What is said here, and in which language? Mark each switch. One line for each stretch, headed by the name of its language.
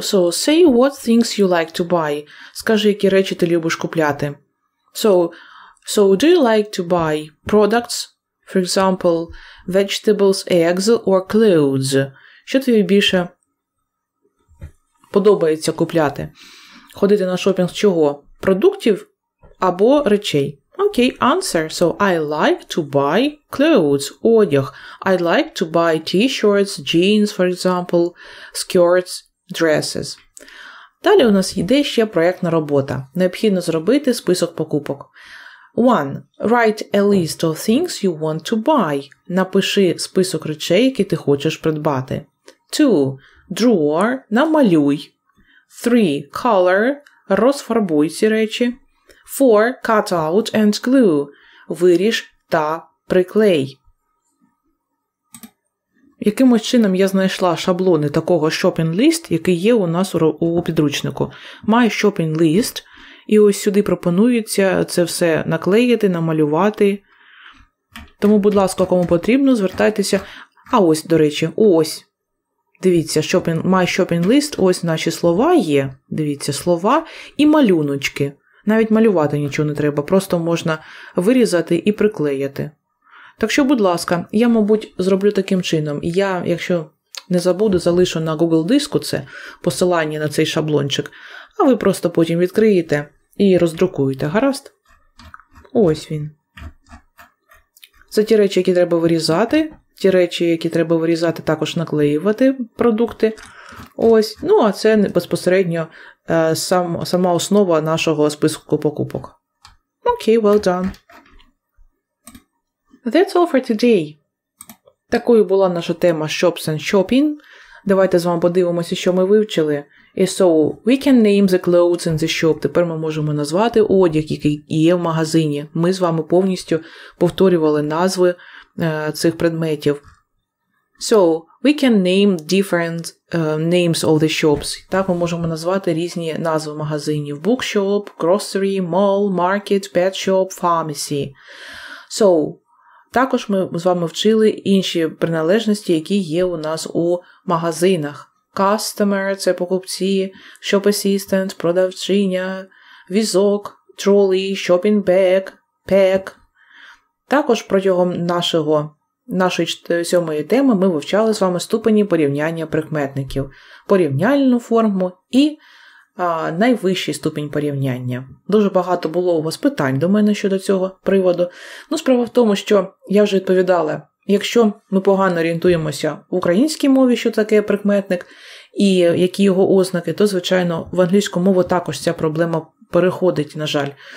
English: So, say what things you like to buy.
Ukrainian: Скажи, які речі ти любиш купляти.
English: So, do you like to buy products? For example, vegetables, eggs or clothes?
Ukrainian: Що тобі більше подобається купляти? Ходити на шопінг з чого? Продуктів або речей?
English: Okay, answer. So, I like to buy clothes, одяг. I like to buy t-shirts, jeans, for example, skirts. Dresses.
Ukrainian: Далі у нас йде ще проєктна робота. Необхідно зробити список покупок.
English: 1. Write a list of things you want to buy.
Ukrainian: Напиши список речей, які ти хочеш придбати.
English: 2. Draw.
Ukrainian: Намалюй.
English: 3. Color.
Ukrainian: Розфарбуй ці речі.
English: 4. Cut out and glue.
Ukrainian: Виріж та приклей. Якимось чином я знайшла шаблони такого
English: shopping list,
Ukrainian: який є у нас у підручнику.
English: My shopping list.
Ukrainian: І ось сюди пропонується це все наклеїти, намалювати. Тому, будь ласка, кому потрібно, звертайтеся. А ось, до речі, ось. Дивіться,
English: shopping, my shopping list.
Ukrainian: Ось наші слова є. Дивіться, слова і малюночки. Навіть малювати нічого не треба, просто можна вирізати і приклеїти. Так що, будь ласка, я, мабуть, зроблю таким чином. Я, якщо не забуду, залишу на Google диску це посилання на цей шаблончик, а ви просто потім відкриєте і роздрукуєте, гаразд? Ось він. Це ті речі, які треба вирізати. Ті речі, які треба вирізати, також наклеювати продукти. Ось. Ну, а це безпосередньо сама основа нашого списку покупок.
English: Окей, well done. That's all for today.
Ukrainian: Такою була наша тема
English: Shops and Shopping.
Ukrainian: Давайте з вами подивимося, що ми вивчили.
English: І so, we can name the clothes in the shop.
Ukrainian: Тепер ми можемо назвати одяг, який є в магазині. Ми з вами повністю повторювали назви цих предметів.
English: So, we can name different names of the shops.
Ukrainian: Так, ми можемо назвати різні назви магазинів.
English: Bookshop, grocery, mall, market, pet shop, pharmacy.
Ukrainian: So, також ми з вами вчили інші приналежності, які є у нас у магазинах. Customer – це покупці, shop assistant – продавчиня, візок, trolley, shopping bag, pack. Також протягом нашої 7-ї теми ми вивчали з вами ступені порівняння прикметників, порівняльну форму і найвищий ступінь порівняння. Дуже багато було у вас питань до мене щодо цього приводу. Ну, справа в тому, що я вже відповідала, якщо ми погано орієнтуємося в українській мові, що таке прикметник і які його ознаки, то, звичайно, в англійську мову також ця проблема переходить, на жаль.